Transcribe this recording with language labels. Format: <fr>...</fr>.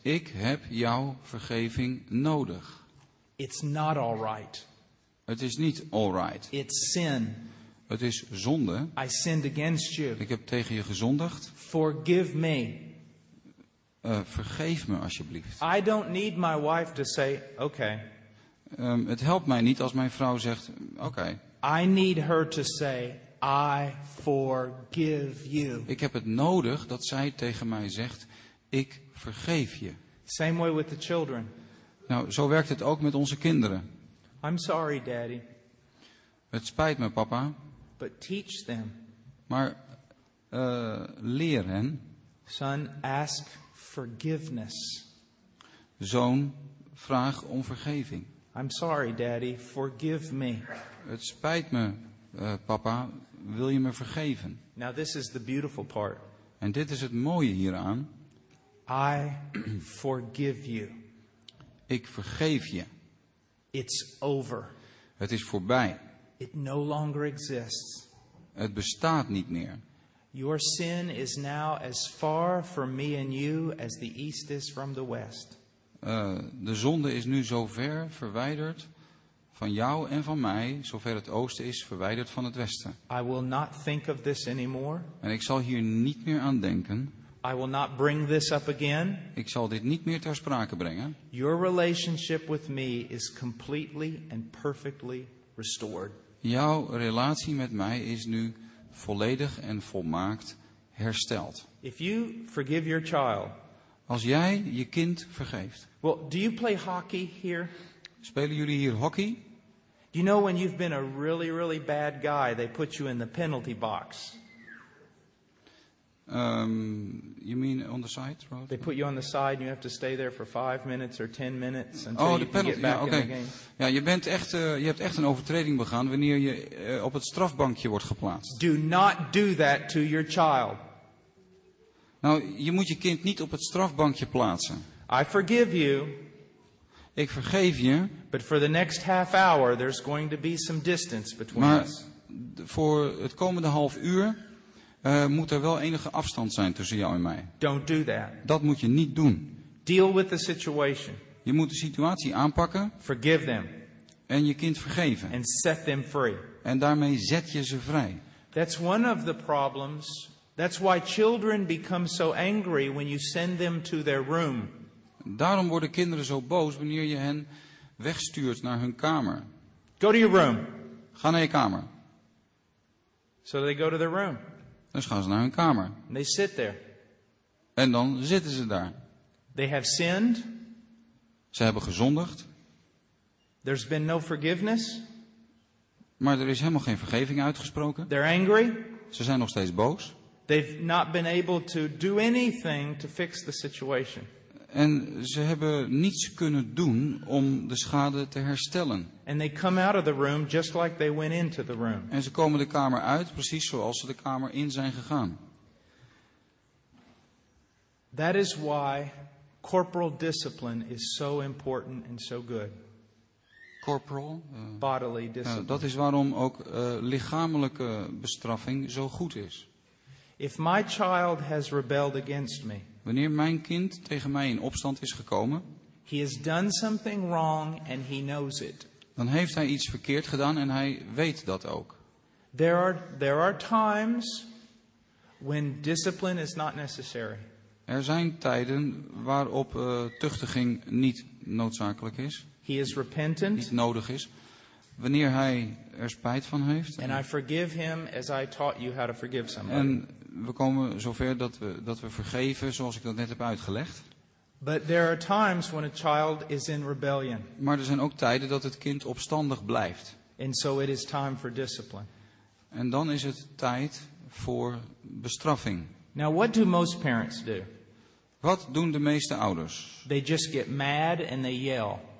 <nl>Ik heb jouw vergeving nodig.</nl> <en>It's not all right.</en> <nl>Het is niet all right.</nl> <en>It's sin.</en> <nl>Het is zonde.</nl> <en>I sinned against you.</en> <nl>Ik heb tegen je gezondigd.</nl> <en>Forgive me.</en> <nl>Vergeef me alsjeblieft.</nl> <en>I don't need my wife to say, okay.</en> <nl>Het helpt mij niet als mijn vrouw zegt, okay.</nl> <en>I need her to say, I forgive you.</en> <nl>Ik heb het nodig dat zij tegen mij zegt, ik vergeef je.</nl> <en>Same way with the children.</en> <nl>Nou, zo werkt het ook met onze kinderen.</nl> <en>I'm sorry, Daddy.</en> <nl>Het spijt me, papa.</nl> <en>But teach them.</en> <nl>Maar leer hen.</nl> <en>Son, ask forgiveness.</en> <nl>Zoon, vraag om vergeving.</nl> <en>I'm sorry, Daddy. Forgive me.</en> <nl>Het spijt me, papa. Wil je me vergeven?</nl> <en>Now this is the beautiful part.</en> <nl>En dit is het mooie hieraan.</nl> <en>I forgive you.</en> <nl>Ik vergeef je.</nl> <en>It's over.</en> <nl>Het is voorbij.</nl> <en>It no longer exists.</en> <nl>Het bestaat niet meer.</nl> <en>Your sin is now as far from me and you as the east is from the west.</en> <nl>De zonde is nu zo ver verwijderd van jou en van mij, zover het oosten is, verwijderd van het westen.</nl> <en>I will not think of this anymore.</en> <nl>En ik zal hier niet meer aan denken.</nl> <en>I will not bring this up again.</en> <nl>Ik zal dit niet meer ter sprake brengen.</nl> <en>Your relationship with me is completely and perfectly restored.</en> <nl>Jouw relatie met mij is nu volledig en volmaakt hersteld.</nl> <en>If you forgive your child,</en> <nl>als jij je kind vergeeft.</nl> <en>Well, do you play hockey here?</en> <nl>Spelen jullie hier hockey?</nl> <en>You know when you've been a really, really bad guy, they put you in the penalty box. You mean on the side, right? They put you on the side and you have to stay there for 5 minutes or 10 minutes until you can get back in the game.</en> <nl>Ja, je hebt echt een overtreding begaan wanneer je op het strafbankje wordt geplaatst.</nl> <en>Do not do that to your child.</en> <nl>Nou, je moet je kind niet op het strafbankje plaatsen.</nl> <en>I forgive you.</en> <nl>Ik vergeef je.</nl> <en>But for the next half hour, there's going to be some distance between</en> <nl>maar</nl> <en>us.</en> <nl>Voor het komende half uur moet er wel enige afstand zijn tussen jou en mij.</nl> <en>Don't do that.</en> <nl>Dat moet je niet doen.</nl> <en>Deal with the situation.</en> <nl>Je moet de situatie aanpakken.</nl> <en>Forgive them.</en> <nl>En je kind vergeven.</nl> <en>And set them free.</en> <nl>En daarmee zet je ze vrij.</nl> <en>That's one of the problems. That's why children become so angry when you send them to their room.</en> <nl>Daarom worden kinderen zo boos wanneer je hen wegstuurt naar hun kamer.</nl> <en>Go to your room.</en> <nl>Ga naar je kamer.</nl> <en>So they go to their room.</en> <nl>Dus gaan ze naar hun kamer.</nl> <en>And they sit there.</en> <nl>En dan zitten ze daar.</nl> <en>They have sinned.</en> <nl>Ze hebben gezondigd.</nl> <en>There's been no forgiveness.</en> <nl>Maar er is helemaal geen vergeving uitgesproken.</nl> <en>They're angry.</en> <nl>Ze zijn nog steeds boos.</nl> <en>They've not been able to do anything to fix the situation.</en> <nl>En ze hebben niets kunnen doen om de schade te herstellen.</nl> <en>And they come out of the room just like they went into the room.</en> <nl>En ze komen de kamer uit precies zoals ze de kamer in zijn gegaan.</nl> <en>That is why corporal discipline is so important and so good. Corporal, bodily discipline.</en> <nl>Dat is waarom ook lichamelijke bestraffing zo goed is.</nl> <en>If my child has rebelled against me.</en> <nl>Wanneer mijn kind tegen mij in opstand is gekomen.</nl> <en>He has done something wrong and he knows it.</en> <nl>Dan heeft hij iets verkeerd gedaan en hij weet dat ook.</nl> <en>There are times when discipline is not necessary.</en> <nl>Er zijn tijden waarop tuchtiging niet noodzakelijk is.</nl> <en>He is repentant.</en> <nl>Niet nodig is. Wanneer hij er spijt van heeft.</nl> <en>And I forgive him as I taught you how to forgive somebody.</en> <nl>En we komen zover dat we vergeven zoals ik dat net heb uitgelegd.</nl> <en>But there are times when a child is in rebellion.</en> <nl>Maar er zijn ook tijden dat het kind opstandig blijft.</nl> <en>And so it is time for discipline.</en> <nl>En dan is het tijd voor bestraffing.</nl> <en>Now what do most parents do?</en> <nl>Wat doen de meeste ouders?</nl> <en>They just get mad and they yell.</en>